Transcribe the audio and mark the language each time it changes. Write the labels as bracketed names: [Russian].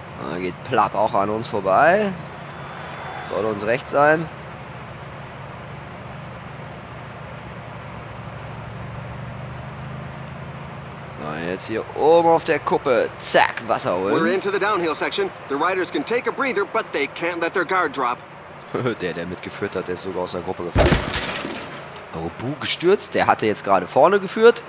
[German] Da geht Plapp auch an uns vorbei. Soll uns recht sein. Na, jetzt hier oben auf der Kuppe. Zack, Wasser holen. [English] We're into the downhill section. The riders can take a breather, but they can't let their guard drop. [German] Der mitgeführt hat, der ist sogar aus der Gruppe gefallen. Oh, Buh, gestürzt. Der hatte jetzt gerade vorne geführt.